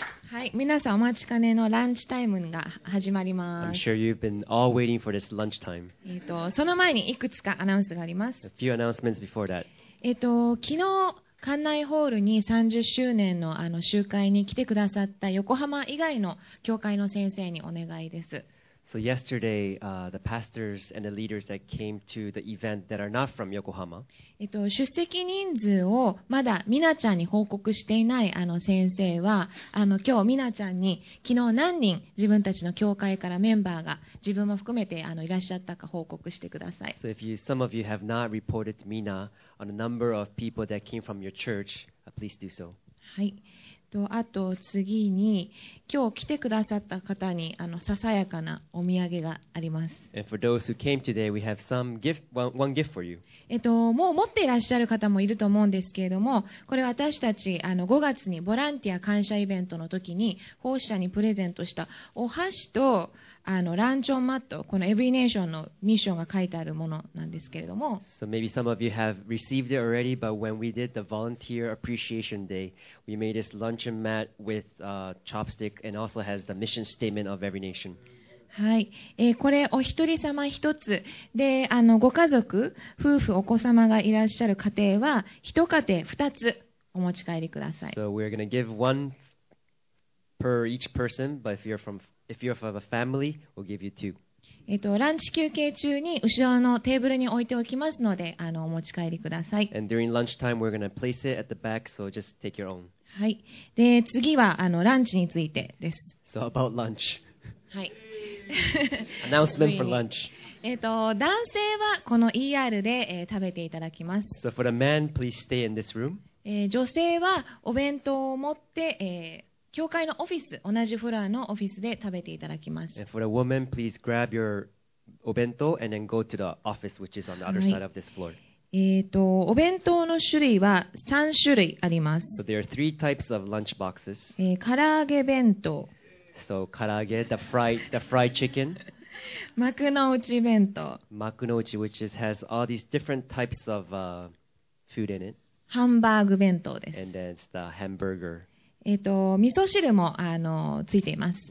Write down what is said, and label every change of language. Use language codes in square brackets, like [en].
[ja] はい、皆さんお待ちかねのランチタイムが始まります。 [en] I'm sure you've been all waiting for this lunchtime. [ja] その前にいくつかアナウンスがあります。 [en] A few announcements before that. [ja] 昨日館内ホールに30周年 の集会に来てくださった横浜以外の教会の先生にお願いです。 [en] So yesterday, the pastors and the leaders that came to the event that are not from Yokohama. [ja] 出席人数をまだミナちゃんに報告していない先生は、今日ミナちゃんに昨日何人自分たちの教会からメンバーが自分も含めていらっしゃったか報告してください。 [en] So if some of you have not reported to Mina on the number of people that came from your church, please do so. [ja] はい。あと次に今日来てくださった方にささやかなお土産があります。もう持っていらっしゃる方もいると思うんですけれども、これは私たち5月にボランティア感謝イベントの時に奉仕者にプレゼントしたお箸とランチョンマット、このエブリネーションのミッションが書いてあるものなんですけれども。 [en] So maybe some of you have received it already, but when we did the volunteer appreciation day, we made this luncheon mat with chopstick and also has the mission statement of every nation. [ja] はい、これお一人様一つで、ご家族、夫婦、お子様がいらっしゃる家庭は、一家庭二つお持ち帰りください。 [en] So we're going to give one per each person, but if you have a family, we'll give you two. [ja] ランチ休憩中に後ろのテーブルに置いておきますので、お持ち帰りください。 [en] And during lunchtime, we're going to place it at the back, so just take your own. [ja] はい。で、次はランチについてです。 [en] So about lunch. [ja] はい。 [en] Announcement for lunch. [ja] 男性はこの ER で、食べていただきます。 [en] So for the man, please stay in this room. [ja] 女性はお弁当を持って、教会のオフィス、同じフロアのオフィスで食べていただきます。 [en] And for the woman, please grab your お弁当 and then go to the office, which is on the other side of this floor. [ja] お弁当の種類は3種類あります。 [en] So there are three types of lunch boxes. [ja] 唐揚げ弁当。 [en] So, 唐揚げ、the fried chicken. [ja] 幕の内弁当。 [en] 幕の内、which has all these different types of food in it. [ja] ハンバーグ弁当です。 [en] And then it's the hamburger. [ja] 味噌汁もついています。